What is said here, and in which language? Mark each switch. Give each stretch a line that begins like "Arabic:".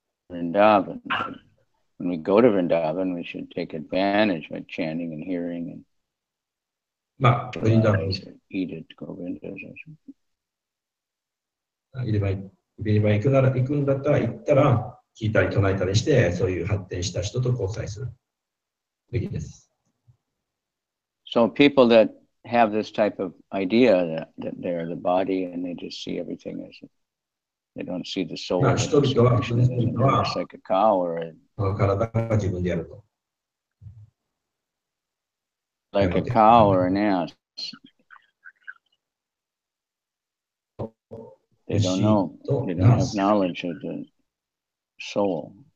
English: Vrindavan. When we go to Vrindavan, we should take advantage by chanting and hearing and eat at Govinda's ashram.
Japanese: 聞いたり唱えたりして、そういう発展した人と交際するべきです。
English: So people that have this type of idea that they are the body and they just see everything as they don't see the soul.
Japanese: 人々は、体が自分であると。
English: Like a cow or an ass. They don't know. They don't have knowledge of the soul.